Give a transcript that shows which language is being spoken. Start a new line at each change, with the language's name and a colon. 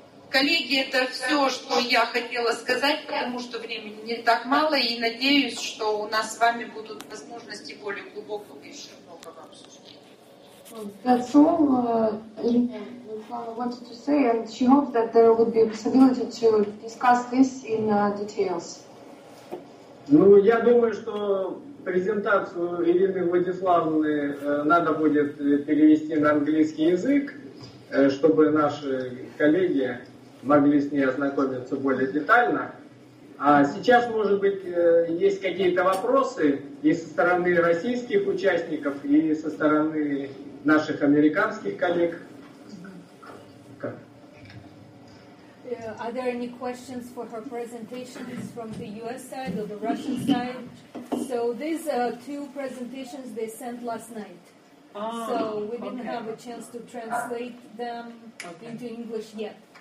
Russian: Коллеги, это все, что я хотела сказать, потому что времени не так мало, и надеюсь, что у нас с вами будут возможности более глубокого и широкого обсуждения.
English: That's all Lina wanted to say, and she hopes that there would be a possibility to discuss this in details.
Russian: Ну, я думаю, что презентацию Ирины Владиславовны надо будет перевести на английский язык, чтобы наши коллеги могли с ней ознакомиться более детально. А сейчас, может быть, есть какие-то вопросы и со стороны российских участников, и со стороны наших американских коллег. Как?
English: Are there any questions for her presentations from the U.S. side or the Russian side? So these two presentations they sent last night. So we didn't have a chance to translate them into English yet.